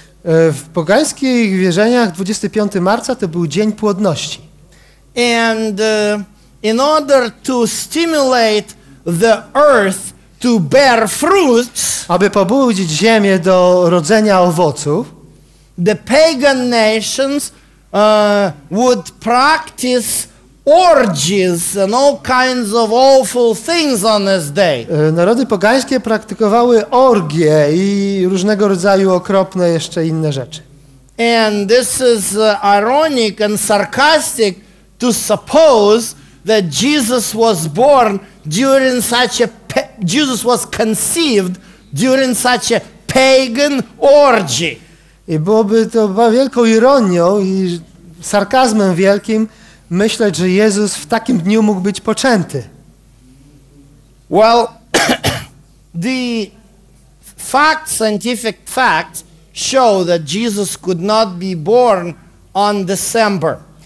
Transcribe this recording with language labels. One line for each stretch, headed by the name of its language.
Polish: W pogańskich wierzeniach 25 marca to był dzień płodności.
English: And in order to stimulate the earth to bear fruits,
Polish: aby pobudzić ziemię do rodzenia owoców,
English: the pagan nations would practice orgies and all kinds of awful things on this day.
Polish: Narody pogańskie praktykowały orgie i różnego rodzaju okropne jeszcze inne rzeczy.
English: And this is ironic and sarcastic to suppose that Jesus was born during such a Jesus was conceived during such a pagan orgy.
Polish: I byłoby to wielką ironią i sarkazmem wielkim myśleć, że Jezus w takim dniu mógł być poczęty.
English: Well, the fact, scientific facts show that Jesus could not be born on December.